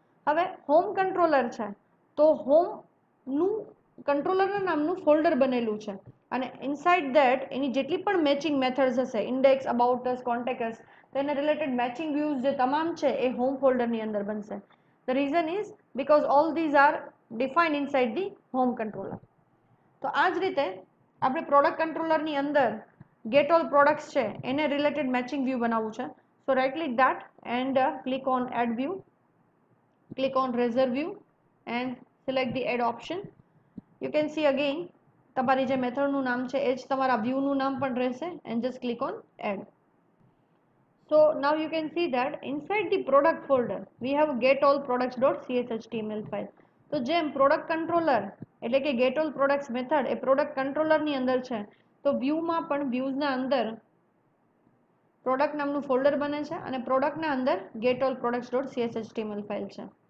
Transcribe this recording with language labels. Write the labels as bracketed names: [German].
[Gujarati] હવે home controller છે તો હોમનું કંટ્રોલરના નામનું ફોલ્ડર બનેલું છે અને [English] inside that [Gujarati] એની જેટલી પણ મેચિંગ મેથડ્સ હશે, ઇન્ડેક્સ, અબાઉટ અસ, કોન્ટેક્ટ્સ, તેના રિલેટેડ મેચિંગ વ્યૂઝ જે તમામ છે એ હોમ ફોલ્ડરની અંદર બનશે. [English] The reason is because all these are defined inside the home controller. [Gujarati] તો આ જ રીતે આપણે પ્રોડક્ટ કંટ્રોલરની અંદર ગેટ ઓલ પ્રોડક્ટ્સ છે એને રિલેટેડ મેચિંગ વ્યૂ બનાવવું છે. [English] So right click that and click on add view. Click on reserve view and select the add option. You can see again [Gujarati] તમારી જે મેથડનું નામ છે એ જ તમારા વ્યૂનું નામ પણ રહેશે [English] And just click on add. So now you can see that inside the product folder we have get all products dot C S H T M L file. [Gujarati] તો જેમ પ્રોડક્ટ કંટ્રોલર એટલે કે ગેટ ઓલ પ્રોડક્ટ્સ મેથડ એ product કંટ્રોલરની અંદર છે, તો વ્યૂમાં પણ વ્યૂઝના અંદર પ્રોડક્ટ નામનું ફોલ્ડર બને છે અને પ્રોડક્ટના અંદર gate all products dot C S H T M L file છે.